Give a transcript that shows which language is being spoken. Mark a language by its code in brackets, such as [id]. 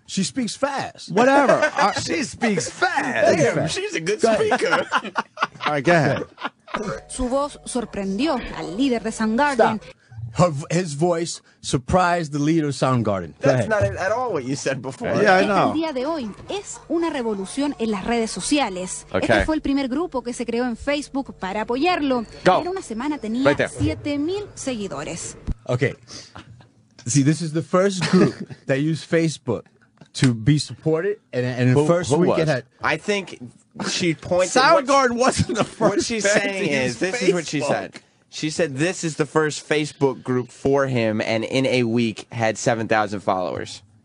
[en] She speaks fast. Whatever. She speaks fast. Damn, she's a good speaker. All right, go ahead. [es] Su voz sorprendió al líder de Soundgarden. [en] His voice surprised the leader of Soundgarden. That's not at all what you said before. Yeah, I know. [es] El día de hoy es una revolución en las redes sociales. Este fue el primer grupo que se creó en Facebook para apoyarlo. [en] Go. [es] En una semana tenía 7,000 seguidores. [en] Okay. See, this is the first group that used Facebook to be supported, and the first week it had. I think she pointed. Soundgarden wasn't the first. What she's saying is, this Facebook. Is what she said. She said this is the first Facebook group for him, and in a week had 7,000 followers.